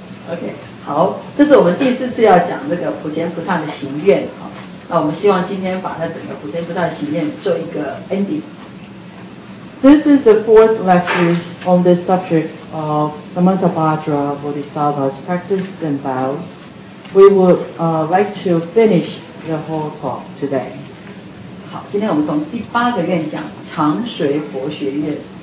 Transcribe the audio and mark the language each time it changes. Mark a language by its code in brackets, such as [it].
[zh] OK, 好，这是我们第四次要讲这个普贤菩萨的行愿。好，那我们希望今天把它整个普贤菩萨的行愿做一个 ending。 [en] This is the fourth lecture on the subject of Samantabhadra Bodhisattva's practice and vows. We would like to finish the whole talk today. [zh] 好，今天我们从第八个愿讲长随佛学愿。